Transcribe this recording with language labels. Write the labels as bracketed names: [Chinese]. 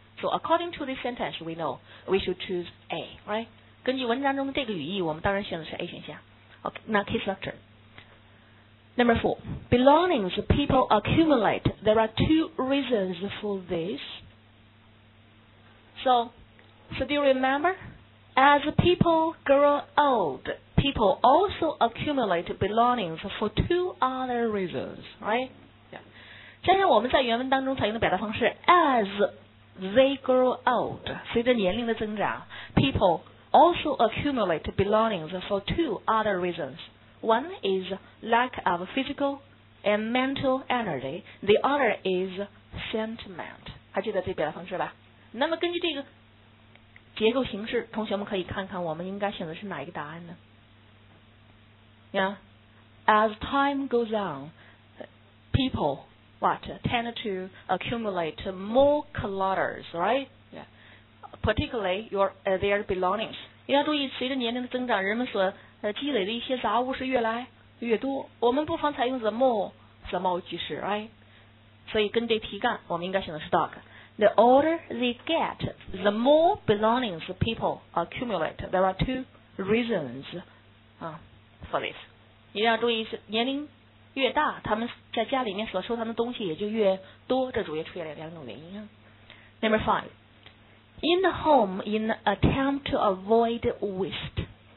[English] So according to this sentence, we know we should choose A, right? [Chinese] 根据文章中的这个语义，我们当然选的是 A 选项。 [English] Okay, now key structure. Number four, belongings people accumulate. There are two reasons for this. So do you remember? As people grow old, people also accumulate belongings for two other reasons, right? [Chinese] 加上我们在原文当中采用的表达方式 [English] as they grow old, [Chinese] 随着年龄的增长 [English] people also accumulate belongings for two other reasons. One is lack of physical and mental energy. The other is sentiment. [Chinese] 还记得这表达方式吧？那么根据这个结构形式，同学们可以看看我们应该选择是哪一个答案呢？ [English] Yeah, as time goes on, people what tend to accumulate more clutters, right? Yeah, particularly their belongings. [Chinese] 你要注意，随着年龄的增长，人们所积累的一些杂物是越来越多。我们不妨采用 the more 句式， [English] right? [Chinese] 所以跟这题干，我们应该选择是 dog. [English] The older they get, the more belongings people accumulate. There are two reasons, for this. [Chinese] 一定要注意是年龄越大，他们在家里面所收藏的东西也就越多，这主要出现了两种原因。 [English] Number five, in the home, in attempt to avoid waste.